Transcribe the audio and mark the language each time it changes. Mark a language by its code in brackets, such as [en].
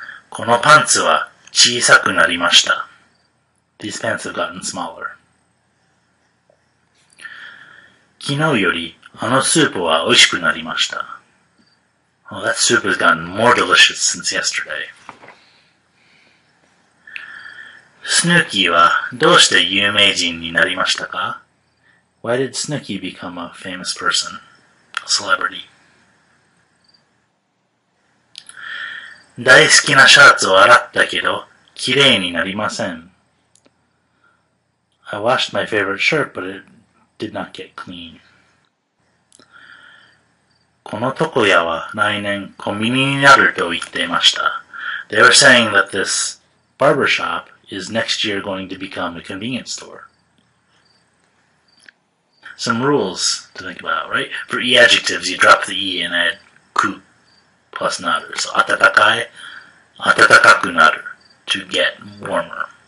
[ja] このパンツは小さくなりました。 [en] These pants have gotten smaller. [ja] 昨日よりあのスープは美味しくなりました。 [en] Well, that soup has gotten more delicious since yesterday. [ja] Snooki はどうして有名人になりましたか? [en] Why did Snooki become a famous person, a celebrity? [ja] 大好きなシャツを洗ったけど、綺麗になりません。 [en] I washed my favorite shirt, but it did not get clean. [ja] この床屋は来年コンビニになると言っていました。 [en] They were saying that this barbershop is next year going to become a convenience store. Some rules to think about, right? For E adjectives, you drop the E and add ku plus naru. So, [ja] 暖かい、暖かくなる [en] to get warmer.